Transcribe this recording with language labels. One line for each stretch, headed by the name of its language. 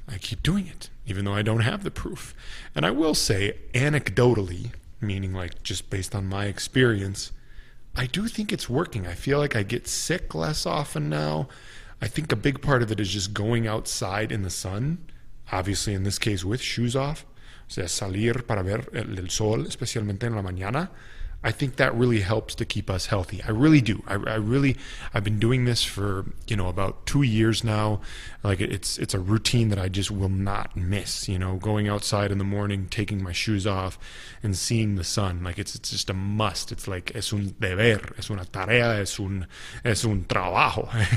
English: I keep doing it, even though I don't have the proof. And I will say, anecdotally, meaning like just based on my experience, I do think it's working. I feel like I get sick less often now. I think a big part of it is just going outside in the sun, obviously in this case with shoes off.
Spanish: O sea, salir para ver el sol, especialmente en la mañana.
English: I think that really helps to keep us healthy. I really do. I've been doing this for, you know, about 2 years now. Like it's a routine that I just will not miss, you know, going outside in the morning, taking my shoes off and seeing the sun. Like it's just a must. It's like, es un deber, es una tarea, es un trabajo.